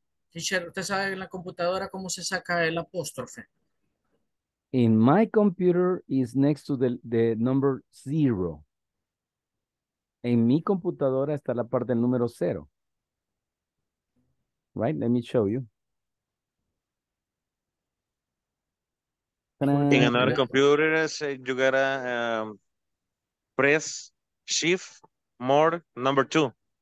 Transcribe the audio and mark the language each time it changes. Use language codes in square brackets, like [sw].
[es] Teacher, ¿usted sabe en la computadora cómo se saca el apóstrofe? [en] In my computer is next to the number zero. [es] En mi computadora está la parte del número cero. [en] Right? Let me show you. In another computer, you got a... press shift more number two.